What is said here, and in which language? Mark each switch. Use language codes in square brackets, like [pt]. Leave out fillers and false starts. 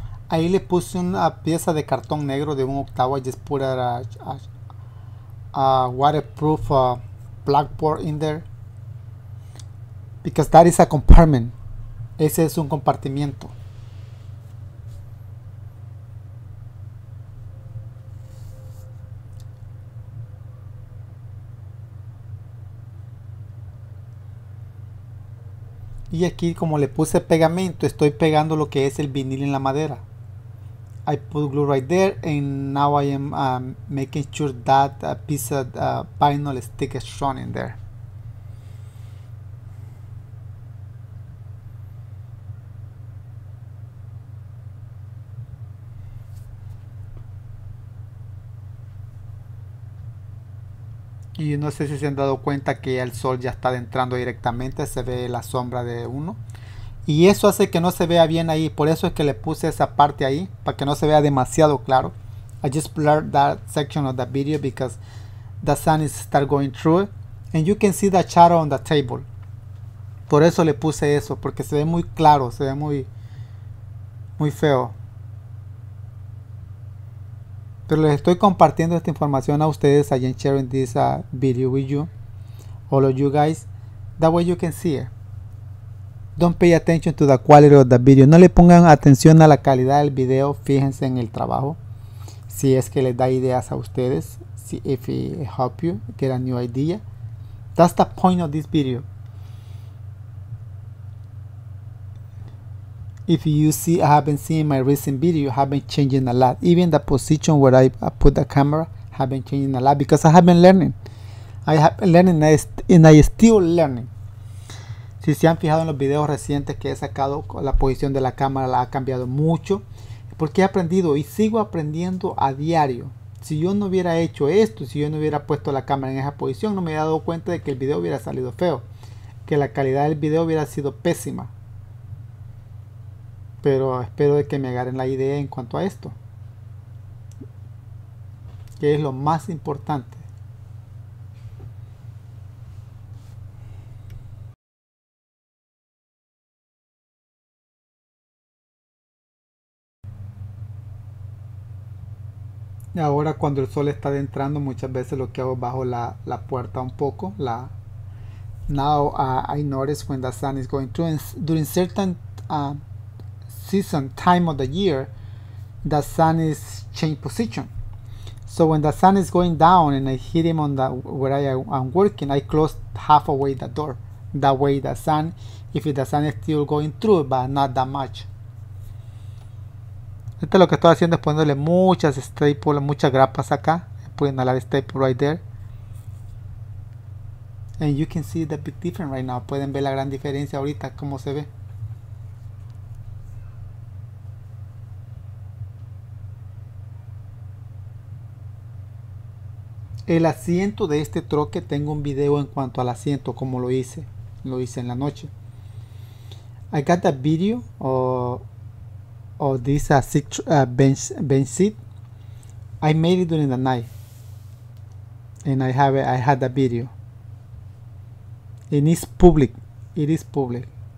[es] Ahí le puse una pieza de cartón negro de un octavo. [en] I just put a waterproof blackboard in there. Because that is a compartment. [es] Ese es un compartimiento. Y aquí, como le puse pegamento, estoy pegando lo que es el vinil en la madera. [en] I put glue right there and now I am making sure that piece of vinyl stick is strong in there. [es] Y no sé si se han dado cuenta que el sol ya está adentrando directamente, se ve la sombra de uno. Y eso hace que no se vea bien ahí, por eso es que le puse esa parte ahí, para que no se vea demasiado claro. [en] I just blurred that section of the video because the sun is start going through it. And you can see the shadow on the table. [es] Por eso le puse eso, porque se ve muy claro, se ve muy, muy feo. Pero les estoy compartiendo esta información a ustedes, [en] I am sharing this video with you, all of you guys. That way you can see it. Don't pay attention to the quality of the video. [es] No le pongan atención a la calidad del video. Fíjense en el trabajo. Si es que les da ideas a ustedes. [en] see if it help you get a new idea. That's the point of this video. If you see, I have been seeing my recent video, have been changing a lot. Even the position where I put the camera have been changing a lot because I have been learning. I have been learning and I still learning. [es] Si se han fijado en los videos recientes que he sacado, la posición de la cámara la ha cambiado mucho. Porque he aprendido y sigo aprendiendo a diario. Si yo no hubiera hecho esto, si yo no hubiera puesto la cámara en esa posición, no me hubiera dado cuenta de que el video hubiera salido feo. Que la calidad del video hubiera sido pésima. Pero espero de que me agarren la idea en cuanto a esto. Que es lo más importante. Ahora cuando el sol está adentrando, muchas veces lo que hago es bajo la puerta un poco. [en] Now I notice when the sun is going through. And during certain season, time of the year, the sun is change position. So when the sun is going down and I hit him on the where I'm working, I close half away the door. That way the sun, if the sun is still going through, but not that much. [es] Esto lo que estoy haciendo es poniéndole muchas staples, muchas grapas acá. Pueden inhalar [en] staple right there. And you can see the big difference right now. [es] Pueden ver la gran diferencia ahorita, cómo se ve. El asiento de este troque, tengo un video en cuanto al asiento, cómo lo hice. Lo hice en la noche. [en] I got that video of this bench seat, I made it during the night, and I had a video. And it's public. It is public.